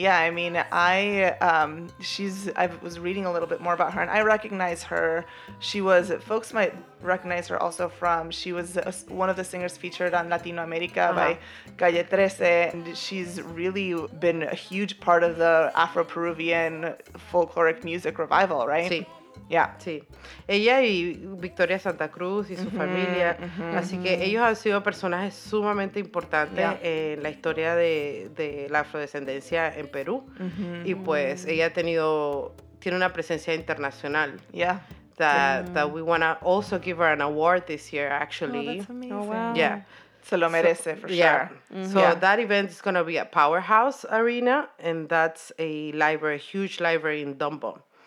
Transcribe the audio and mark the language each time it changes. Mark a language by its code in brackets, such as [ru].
[en] Yeah, I mean, I was reading a little bit more about her, and I recognize her. Folks might recognize her also from, she was one of the singers featured on Latino America by Calle 13, and she's really been a huge part of the Afro-Peruvian folkloric music revival, right? [es] Sí. [en] Yeah. [es] Sí. Ella y Victoria Santa Cruz y su familia. Así que ellos han sido personajes sumamente importantes en la historia de la afrodescendencia en Perú. Y pues ella tiene una presencia internacional. [en] Yeah. That we want to also give her an award this year, actually. Oh, that's amazing. Oh, wow. Yeah. [es] Se lo merece, [en] for sure. Yeah. So that event is going to be at Powerhouse Arena, and that's a huge library in Dumbo.